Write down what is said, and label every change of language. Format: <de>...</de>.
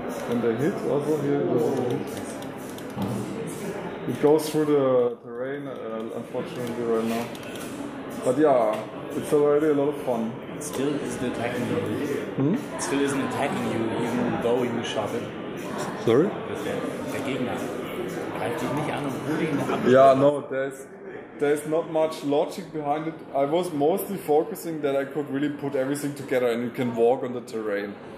<en>And they hit also here. It goes through the terrain, unfortunately, right now. But yeah, it's already a lot of fun. It still isn't attacking you. It still isn't attacking you, even though you shot it. Sorry?</en> <de>Der Gegner greift dich nicht an und rührt ihn ab.</de> <en>Yeah, no, there's not much logic behind it. I was mostly focusing that I could really put everything together and you can walk on the terrain.</en>